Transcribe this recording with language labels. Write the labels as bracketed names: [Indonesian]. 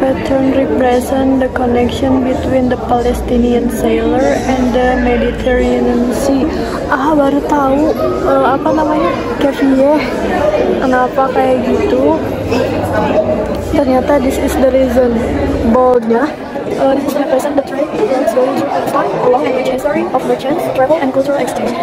[English] Represent the connection between the Palestinian sailor and the Mediterranean Sea. [Indonesian] Ah, baru tahu apa namanya? Kefieh. Kenapa kayak gitu? [English] Ternyata this is the reason. Boldnya represent the trade towards the long history of merchants, travel and cultural exchange.